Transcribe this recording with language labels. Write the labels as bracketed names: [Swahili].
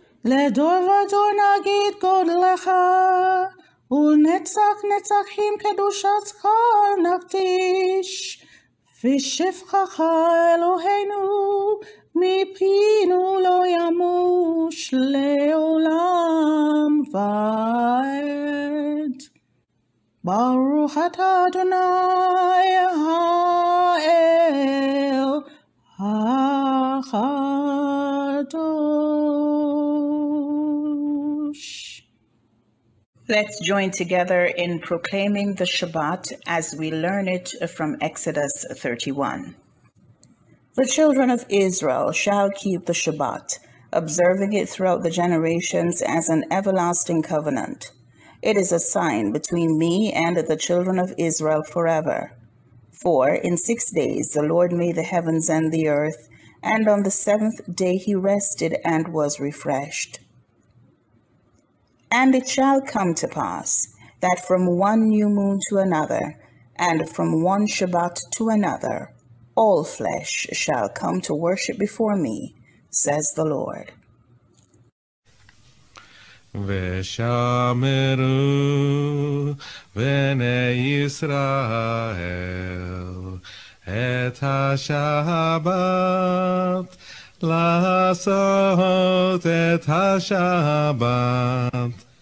[Hebrew] Le'dor v'dor nagid godlecha, ונצח נצחים קדושת שכר נקדיש, ושפחך אלוהינו מפינו לא ימוש לעולם ועד. ברוך אתה אדוני האל הקדוש. [English] Let's join together in proclaiming the Shabbat as we learn it from Exodus 31. The children of Israel shall keep the Shabbat, observing it throughout the generations as an everlasting covenant. It is a sign between me and the children of Israel forever. For in 6 days the Lord made the heavens and the earth, and on the seventh day he rested and was refreshed. And it shall come to pass that from one new moon to another, and from one Shabbat to another, all flesh shall come to worship before me, says the Lord. [Hebrew] Veshameru v'nei Yisrael et ha-Shabbat la'asot et ha-Shabbat